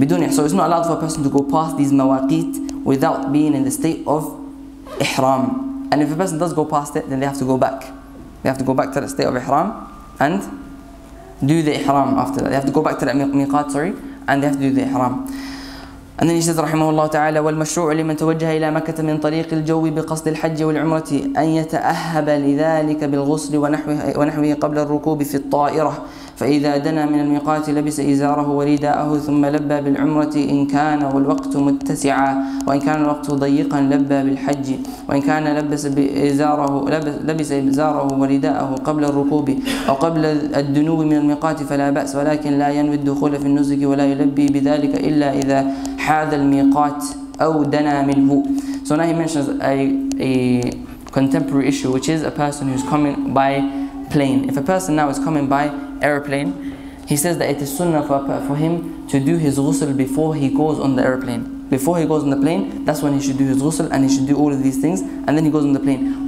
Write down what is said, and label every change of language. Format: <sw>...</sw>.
<en>So it's not allowed for a person to go past these mawaqit without being in the state of ihram. And if a person does go past it, then they have to go back. They have to go back to the state of ihram and do the ihram after that. They have to go back to the miqat, sorry, and they have to do the ihram. And then he says,</en> <ar>رحمه الله تعالى والمشروع لمن توجه إلى مكة من طريق الجو بقصد الحج والعمرة أن يتأهب لذلك بالغسل ونحوه قبل الركوب في الطائرة فإذا دنا من الميقات لبس إزاره ورداءه ثم لبى بالعمرة إن كان والوقت متسعا وإن كان الوقت ضيقا لبى بالحج وإن كان لبس إزاره ورداءه قبل الركوب أو قبل الدنو من الميقات فلا بأس ولكن لا ينوي الدخول في النزك ولا يلبي بذلك إلا إذا حاذ الميقات أو دنا منه.</ar> <en>So now he mentions a contemporary issue, which is a person who's coming by plane. If a person now is coming by airplane, he says that it is sunnah for him to do his ghusl before he goes on the airplane. Before he goes on the plane, that's when he should do his ghusl and he should do all of these things, and then he goes on the plane.</en>